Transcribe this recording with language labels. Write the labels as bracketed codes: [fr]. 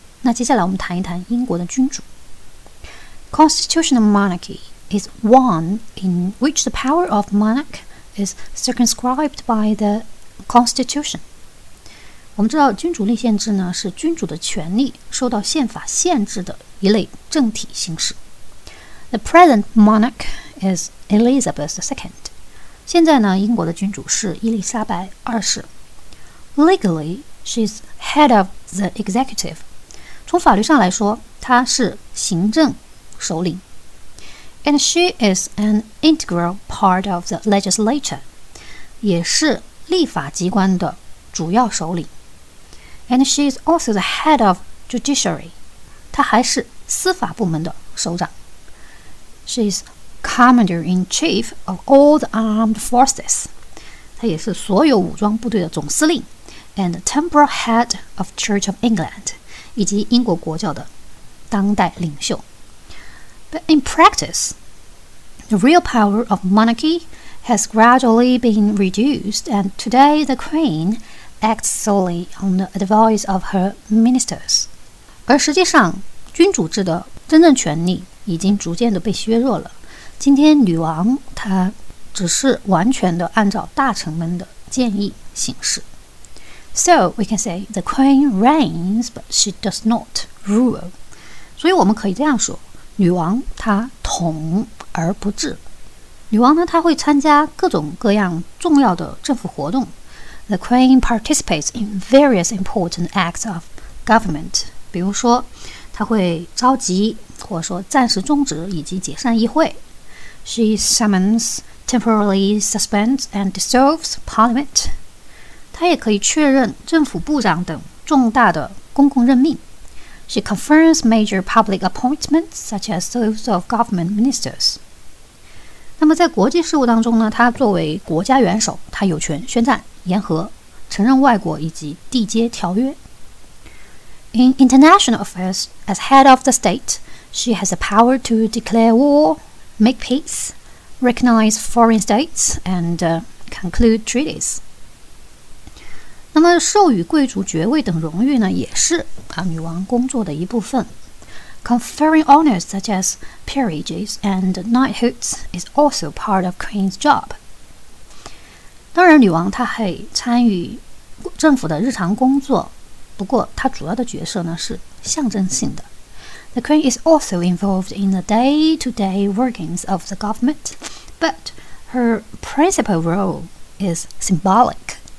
[zh] 那接下来我们谈一谈英国的君主。 [en] Constitutional monarchy is one in which the power of monarch is circumscribed by the constitution. [zh] 我们知道君主立宪制呢是君主的权力受到宪法限制的一类政体形式。 [en] The present monarch is Elizabeth II. [zh] 现在呢英国的君主是伊丽莎白二世。 [en] Legally, she is head of the executive. [zh] 从法律上来说她是行政首领。 [en] And she is an integral part of the legislature. [zh] 也是立法机关的主要首领。 [en] And she is also the head of judiciary. [zh] 她还是司法部门的首长。 [en] She is commander-in-chief of all the armed forces. [zh] 她也是所有武装部队的总司令。 [en] And the temporal head of Church of England, [zh] 以及英国国教的当代领袖。 [en] But in practice, the real power of monarchy has gradually been reduced, and today the Queen acts solely on the advice of her ministers. [zh] 而实际上，君主制的真正权力已经逐渐的被削弱了。今天女王她只是完全的按照大臣们的建议行事。 So we can say the queen reigns, but she does not rule. 所以我们可以这样说，女王她统而不治。女王呢，她会参加各种各样重要的政府活动。 [en] The queen participates in various important acts of government. [zh] 比如说，她会召集或者说暂时终止以及解散议会。 [en] She summons, temporarily suspends and dissolves parliament. [zh] 他也可以确认政府部长等重大的公共任命。 [en] She confirms major public appointments, such as those of government ministers. [zh] 那么在国际事务当中呢，他作为国家元首，他有权宣战、言和、承认外国以及缔结条约。 [en] In international affairs, as head of the state, she has the power to declare war, make peace, recognize foreign states, and conclude treaties. [zh] 那么授予贵族爵位等荣誉呢也是女王工作的一部分。 [en] Conferring honors such as peerages and knighthoods is also part of Queen's job. [zh] 当然女王她还参与政府的日常工作，不过她主要的角色呢是象征性的。 [en] The Queen is also involved in the day-to-day workings of the government, but her principal role is symbolic.